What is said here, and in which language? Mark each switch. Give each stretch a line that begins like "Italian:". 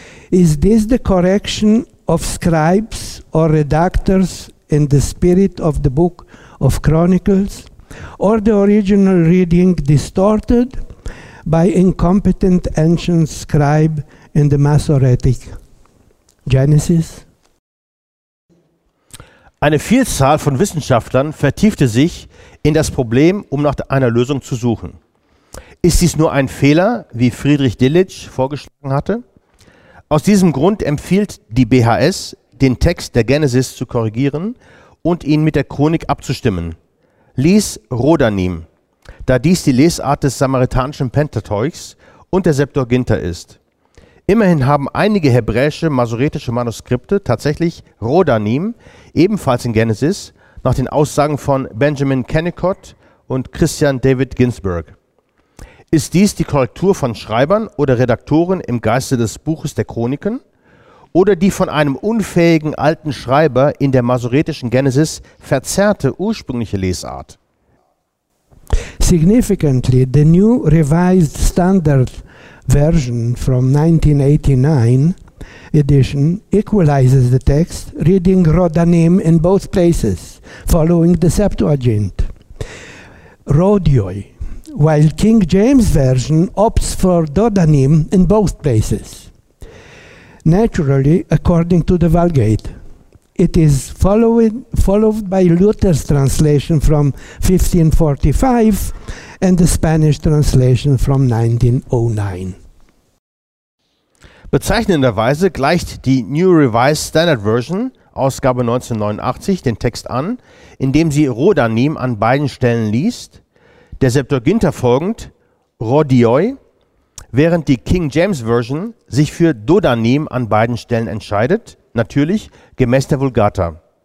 English: Is this the correction of scribes or redactors in the spirit of the Book of Chronicles, or the original reading distorted by incompetent ancient scribe in the Masoretic Genesis?
German: Eine Vielzahl von Wissenschaftlern vertiefte sich in das Problem, um nach einer Lösung zu suchen. Ist dies nur ein Fehler, wie Friedrich Dillich vorgeschlagen hatte? Aus diesem Grund empfiehlt die BHS, den Text der Genesis zu korrigieren und ihn mit der Chronik abzustimmen. Lies Rodanim, da dies die Lesart des samaritanischen Pentateuchs und der Septuaginta ist. Immerhin haben einige hebräische masoretische Manuskripte tatsächlich Rodanim, ebenfalls in Genesis, nach den Aussagen von Benjamin Kennicott und Christian David Ginsburg. Ist dies die Korrektur von Schreibern oder Redaktoren im Geiste des Buches der Chroniken oder die von einem unfähigen alten Schreiber in der masoretischen Genesis verzerrte ursprüngliche Lesart?
English: Significantly, the New Revised Standard Version from 1989 edition equalizes the text, reading Rodanim in both places, following the Septuagint. Rodioi, while King James Version opts for Dodanim in both places. Naturally, according to the Vulgate, it is followed by Luther's translation from 1545 and the Spanish translation from 1909.
German: Bezeichnenderweise gleicht die New Revised Standard Version, Ausgabe 1989, den Text an, indem sie Rodanim an beiden Stellen liest, der Septuaginta folgend Rodioi, während die King James Version sich für Dodanim an beiden Stellen entscheidet, natürlich gemäß der Vulgata.